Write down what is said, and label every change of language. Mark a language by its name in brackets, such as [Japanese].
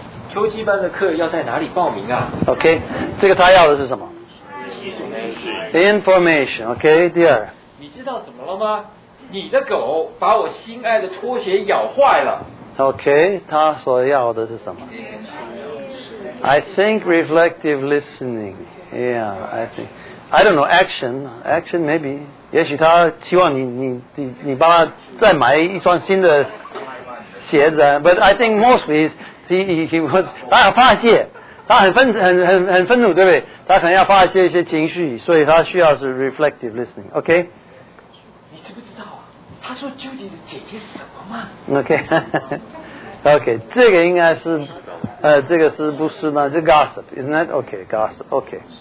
[Chinese] 秋季班的课要在哪里报名啊？OK， 这个他要的是什么 ？Information。 OK， 第二。你知道怎么了吗？你的狗把我心爱的拖鞋咬坏了。 OK， 他所要的是什么 ？ I think reflective listening. [English] Yeah, I think. I don't know action. Action maybe. [Chinese] 也许他希望你帮他再买一双新的鞋子。 But I think mostly he was 他要发泄，他很愤怒，对不对？他可能要发泄一些情绪，所以他需要是 reflective listening. OK。他说竟是姐姐什么吗？OK， OK， 这个应该是，这个是不是呢？ [English] 这 gossip， isn't that OK？ Gossip， OK。